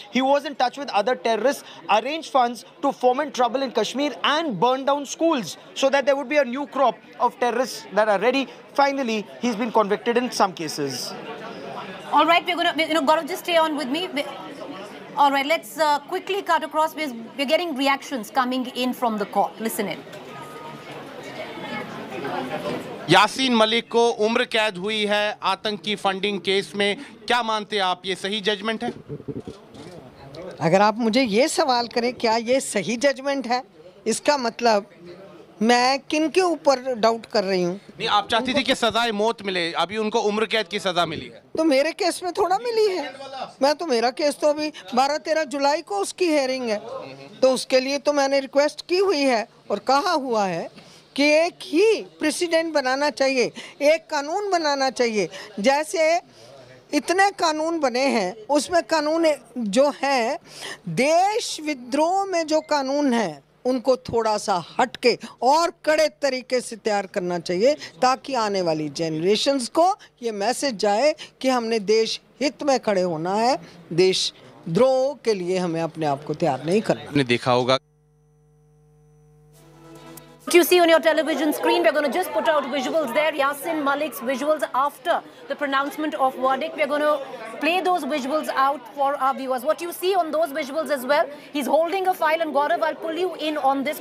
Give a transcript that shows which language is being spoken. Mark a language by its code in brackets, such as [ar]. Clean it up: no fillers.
[en] He was in touch with other terrorists, arranged funds to foment trouble in Kashmir and burn down schools so that there would be a new crop of terrorists that are ready. Finally, he's been convicted in some cases. All right, Gaurav, just stay on with me. All right, let's quickly cut across because we're getting reactions coming in from the court. Listen in. [hi] Yasin Malik को उम्र कैद हुई है आतंकी funding case में, क्या मानते हैं आप, ये सही जजमेंट है? अगर आप मुझे ये सवाल करें क्या ये सही जजमेंट है, इसका मतलब मैं किन के ऊपर डाउट कर रही हूँ? नहीं, आप चाहती थी कि सजाए मौत मिले, अभी उनको उम्र कैद की सजा मिली है। तो मेरे केस में थोड़ा मिली है, मैं तो मेरा केस तो अभी 12-13 जुलाई को उसकी हेयरिंग है, तो उसके लिए तो मैंने रिक्वेस्ट की हुई है और कहा हुआ है कि एक ही प्रेसिडेंट बनाना चाहिए, एक कानून बनाना चाहिए। जैसे इतने कानून बने हैं, उसमें कानून जो है देश विद्रोह में जो कानून है उनको थोड़ा सा हटके और कड़े तरीके से तैयार करना चाहिए, ताकि आने वाली जेनरेशन्स को ये मैसेज जाए कि हमने देश हित में खड़े होना है, देश द्रोह के लिए हमें अपने आप को तैयार नहीं करना। आपने देखा होगा, [en] you see on your television screen, we're going to just put out visuals there, Yasin Malik's visuals after the pronouncement of verdict. We're going to play those visuals out for our viewers. What you see on those visuals as well, he's holding a file, and Gaurav, I'll pull you in on this.